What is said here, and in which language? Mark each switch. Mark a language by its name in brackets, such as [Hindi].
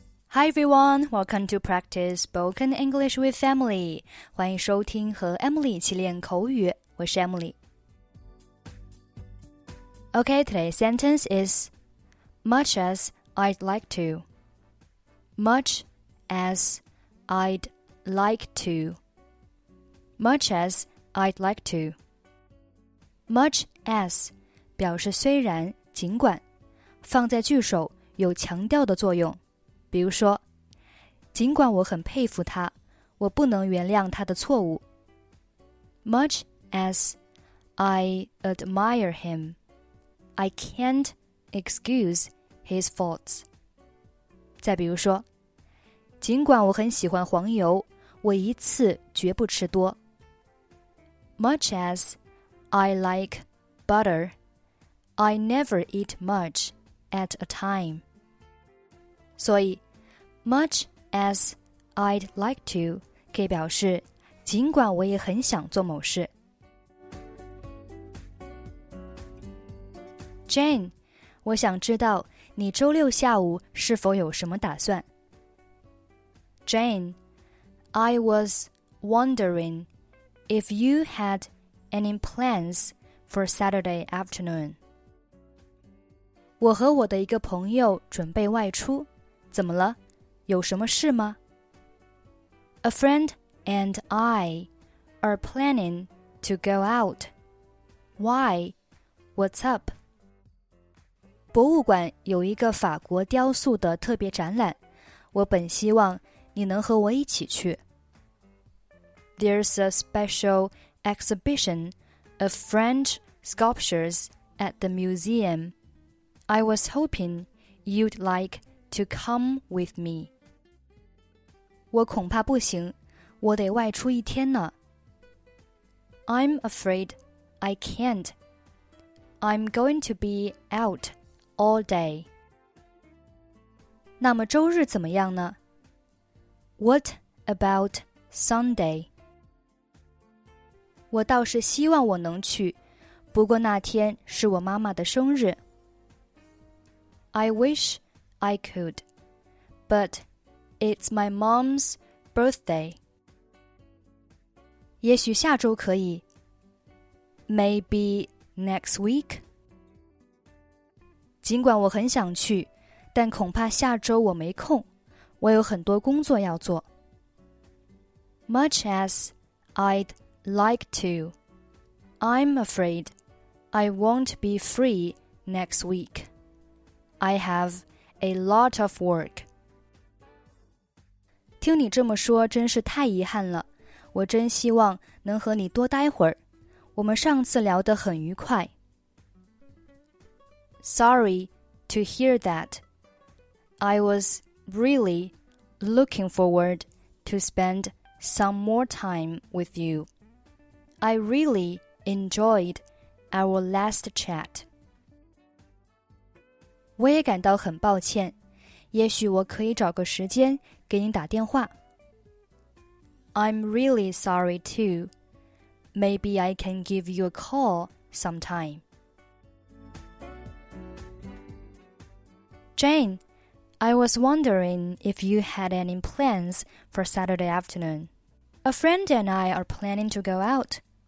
[English] Hi everyone, welcome to Practice Spoken English with Emily. [Chinese] 欢迎收听和 Emily 一起练口语，我是 Emily. [English] Okay, today's sentence is Much as I'd like to. Much as I'd like to. Much as I'd like to. [Chinese] Much as 表示虽然、尽管，放在句首有强调的作用。比如说，尽管我很佩服他，我不能原谅他的错误。 [English] Much as I admire him, I can't excuse his faults. [Chinese] 再比如说，尽管我很喜欢黄油，我一次绝不吃多。 [English] Much as I like butter, I never eat much at a time. [Chinese] 所以 [English] Much as I'd like to [Chinese] 可以表示尽管我也很想做某事。 Jane, 我想知道你周六下午是否有什么打算。 [English] Jane, I was wondering if you had any plans for Saturday afternoon. [Chinese] 我和我的一个朋友准备外出，怎么了？有什么事吗? [English] A friend and I are planning to go out. Why? What's up? [Chinese] 博物馆有一个法国雕塑的特别展览，我本希望你能和我一起去。 [English] There's a special exhibition of French sculptures at the museum. I was hoping you'd like to come with me. [Chinese] 我恐怕不行，我得外出一天呢。 [English] I'm afraid I can't. I'm going to be out all day. [Chinese] 那么周日怎么样呢? [English] What about Sunday? [Chinese] 我倒是希望我能去，不过那天是我妈妈的生日。 [English] I wish I could, but... It's my mom's birthday. [Chinese] 也许下周可以。 [English] Maybe next week? [Chinese] 尽管我很想去，但恐怕下周我没空，我有很多工作要做。 [English] Much as I'd like to, I'm afraid I won't be free next week. I have a lot of work. [Chinese] 听你这么说真是太遗憾了，我真希望能和你多待会儿，我们上次聊得很愉快。 [English] Sorry to hear that. I was really looking forward to spend some more time with you. I really enjoyed our last chat. [Chinese] 我也感到很抱歉，也许我可以找个时间给你打电话。 [English] I'm really sorry too. Maybe I can give you a call sometime. Jane, I was wondering if you had any plans for Saturday afternoon. A friend and I are planning to go out.